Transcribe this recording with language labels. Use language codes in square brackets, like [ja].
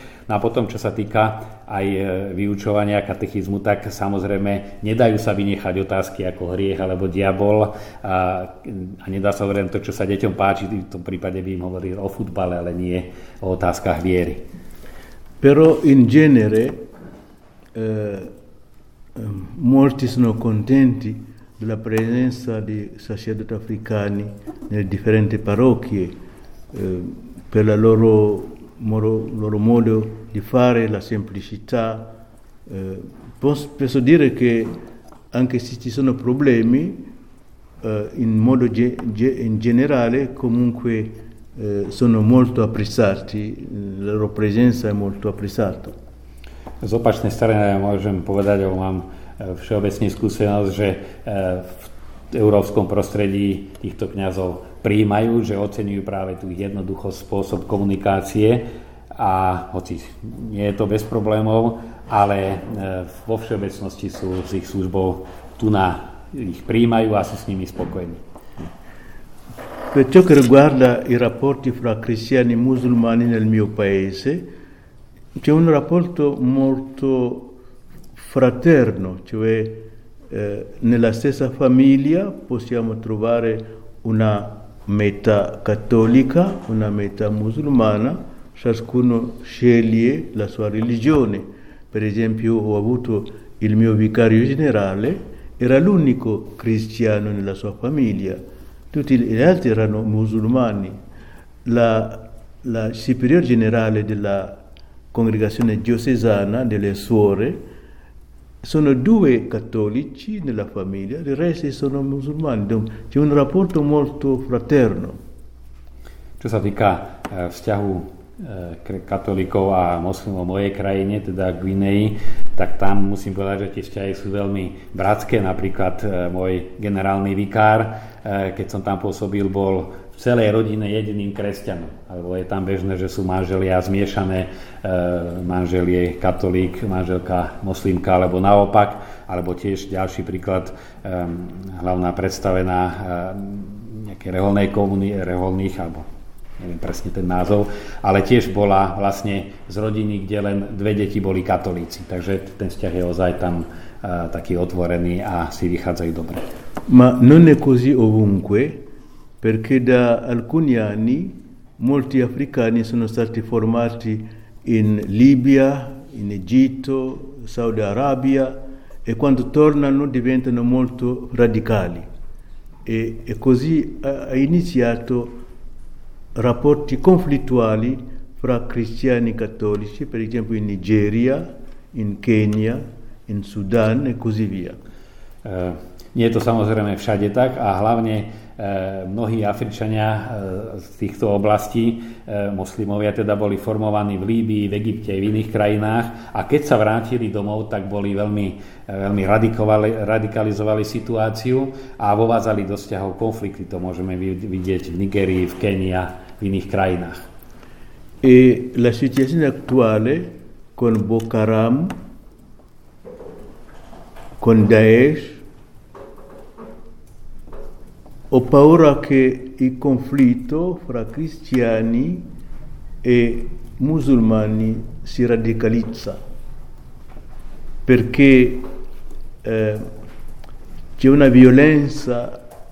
[sk] No a potom, čo sa týka aj vyučovania katechizmu, tak samozrejme nedajú sa vynechať otázky ako hriech alebo diabol. A nedá sa hovoriť to, čo sa deťom páči, v tom prípade by im hovoril o futbale, ale nie o otázkach viery. [it] Però in genere molti sono contenti della presenza di sacerdoti africani nelle differenti parrocchie per il loro modo di fare, la semplicità. Posso dire che anche se ci sono problemi, in generale comunque sono molto apprezzati, la loro presenza è molto apprezzata. Z opačnej strany môžem povedať, alebo mám všeobecne skúsenosť, že v európskom prostredí týchto kňazov prijímajú, že oceňujú práve tú jednoduchosť, spôsob komunikácie, a hoci nie je to bez problémov, ale vo všeobecnosti sú z ich službou tu na ich prijímajú a sú s nimi spokojní. Per ciò che riguarda i rapporti fra cristiani e musulmani nel mio paese, c'è un rapporto molto fraterno, cioè nella stessa famiglia possiamo trovare una metà cattolica, una metà musulmana, ciascuno sceglie la sua religione. Per esempio, ho avuto il mio vicario generale, era l'unico cristiano nella sua famiglia. Tutti gli altri erano musulmani. La superiore generale della congregazione diocesana delle suore sono due cattolici nella famiglia, i resti sono musulmani. C'è un rapporto molto fraterno. [sk] Ciò sa tica vzťahu katolíkov a moslimov mojej krajine, teda Guinei, tak tam musím povedať, že tie vzťahy sú veľmi bratské. Napríklad môj generálny vikár, keď som tam pôsobil, bol v celej rodine jediným kresťanom. Alebo je tam bežné, že sú manželia zmiešané, manžel je katolík, manželka moslimka, alebo naopak. Alebo tiež ďalší príklad, hlavná predstavená nejakej reholnej komunity, reholných, alebo neviem presne ten názov, ale tiež bola vlastne z rodiny, kde len dve deti boli katolíci. Takže ten vzťah je ozaj tam taký otvorený a si vychádzajú dobre. [it] Ma non è così ovunque, perché da alcuni anni molti africani sono stati formati in Libia, in Egitto, Saudi Arabia, e quando tornano diventano molto radicali. E così ha iniziato rapporti conflittuali fra cristiani e cattolici, per esempio in Nigeria, in Kenya, in Sudan e così via. [sk] Nie je to samozrejme všade tak a hlavne mnohí Afričania z týchto oblastí, moslimovia teda, boli formovaní v Líbii, v Egypte aj v iných krajinách, a keď sa vrátili domov, tak boli veľmi, veľmi radikalizovali situáciu a vovázali do vzťahov konflikty. To môžeme vidieť v Nigerii, v Kenii a v iných krajinách. [it] E la situazione attuale con Boko Haram, con Daesh, ho paura che il conflitto fra cristiani e musulmani si radicalizza, perché c'è una violenza